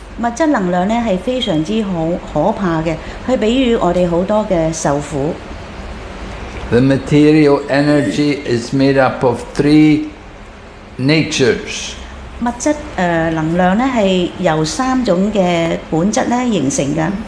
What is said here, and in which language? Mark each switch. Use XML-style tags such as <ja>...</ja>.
<zh>物質能量是非常可怕的,它給予我們很多的受苦。</zh> <en>The material energy is made up of three natures.</en> <zh>物質能量是由三種的本質形成的。</zh>